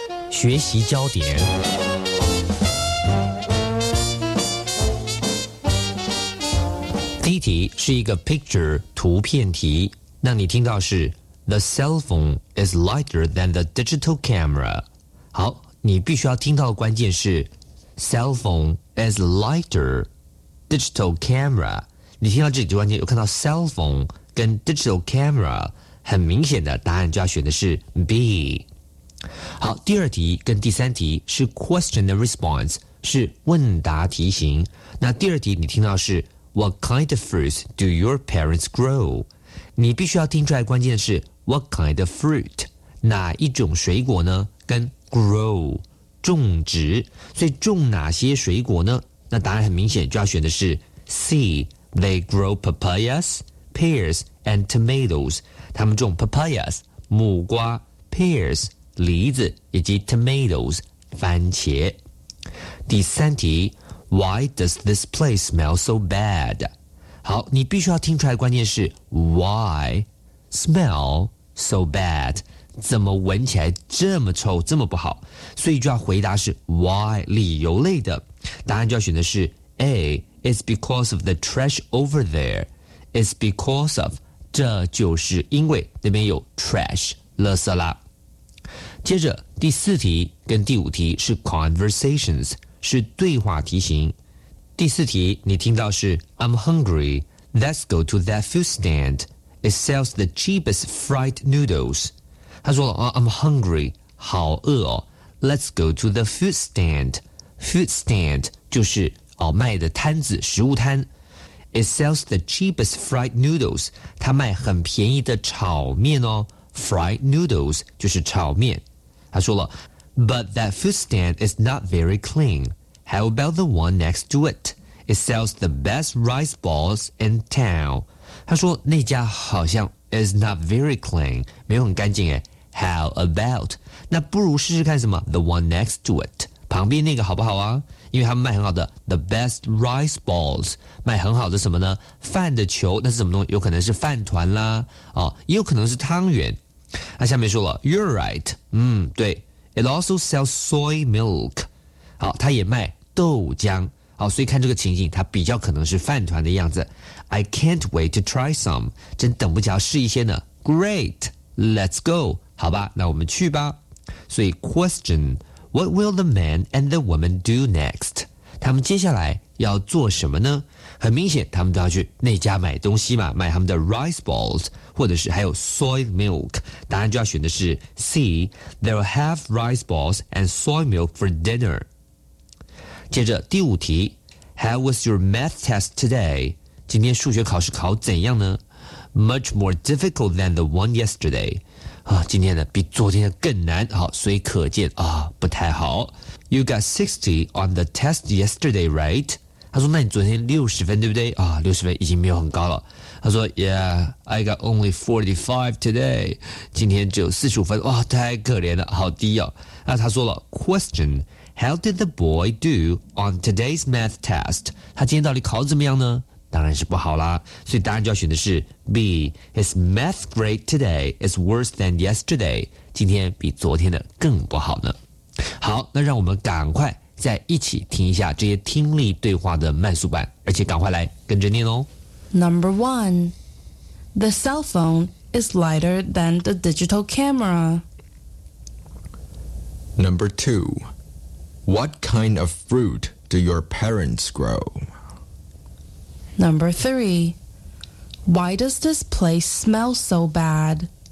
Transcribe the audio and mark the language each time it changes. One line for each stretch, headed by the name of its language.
Chinese: 学习焦点第一题是一个 picture 图片题那你听到是
English: The cell phone is lighter than the digital camera.
Chinese: 好，你必须要听到的关键是
English: cell phone is lighter digital camera.
Chinese: 你听到这几句关键，有看到 cell phone 跟 digital camera， 很明显的答案就要选的是 B。好，第二题跟第三题是
English: question and response，
Chinese: 是问答题型。那第二题你听到是
English: What kind of fruits do your parents grow？
Chinese: 你必须要听出来的关键是。
English: What kind of fruit?
Chinese: 哪一种水果呢？跟 grow, 种植。所以种哪些水果呢？那答案很明显就要选的是 C.
English: They grow papayas, pears, and tomatoes.
Chinese: 他们种 papayas, 木瓜 pears, 梨子以及 tomatoes, 番茄。第三题
English: Why does this place smell so bad?
Chinese: 好你必须要听出来的关键是
English: Why smell,So bad,
Chinese: 怎么闻起来这么臭，这么不好？所以就要回答是 why, 理由类的。答案就要选的是
English: A, it's because of the trash over there. It's because of,
Chinese: 这就是因为那边有 trash, 垃圾啦。接着第四题跟第五题是 conversations, 是对话题型。第四题你听到是
English: I'm hungry, let's go to that food stand. It sells the cheapest fried noodles.
Chinese: 他说、
English: oh, I'm hungry,
Chinese: 好饿哦。
English: Let's go to the food stand.
Chinese: Food stand 就是、哦、卖的摊子食物摊。
English: It sells the cheapest fried noodles.
Chinese: 他卖很便宜的炒面哦。Fried noodles 就是炒面。他说了
English: But that food stand is not very clean. How about the one next to it? It sells the best rice balls in town.
Chinese: 他说那家好像
English: is not very clean,
Chinese: 没有很干净耶。
English: How about?
Chinese: 那不如试试看什么
English: the one next to it,
Chinese: 旁边那个好不好啊？因为他们卖很好的
English: the best rice balls,
Chinese: 卖很好的什么呢？饭的球，那是什么东西？有可能是饭团啦，哦，也有可能是汤圆。那下面说了
English: You're right,
Chinese: 对
English: It also sells soy milk,
Chinese: 好，他也卖豆浆。好，所以看这个情景，它比较可能是饭团的样子。
English: I can't wait to try some.
Chinese: 真等不及要试一些呢。
English: Great, let's go.
Chinese: 好吧，那我们去吧。所以
English: question, what will the man and the woman do next?
Chinese: 他们接下来要做什么呢？很明显，他们都要去那家买东西嘛，买他们的 rice balls, 或者是还有 soy milk。答案就要选的是
English: C, they'll have rice balls and soy milk for dinner.
Chinese: 接着第五题
English: How was your math test today?
Chinese: 今天数学考试考怎样呢
English: Much more difficult than the one yesterday、
Chinese: 啊、今天呢比昨天更难好所以可见、啊、不太好
English: You got 60 on the test yesterday, right?
Chinese: 他说那你昨天60分对不对、啊、60分已经没有很高了他说
English: Yeah, I got only 45 today
Chinese: 今天只有45分哇太可怜了好低哦那他说了
English: QuestionHow did the boy do on today's math test?
Chinese: 他今天到底考得怎么样呢？当然是不好啦。所以答案就要选的是 B.
English: His math grade today is worse than yesterday.
Chinese: 今天比昨天的更不好呢。好，那让我们赶快再一起听一下这些听力对话的慢速版，而且赶快来跟着念哦。
English: Number one, the cell phone is lighter than the digital camera. Number two. What kind of fruit do your parents grow? Number three, why does this place smell so bad?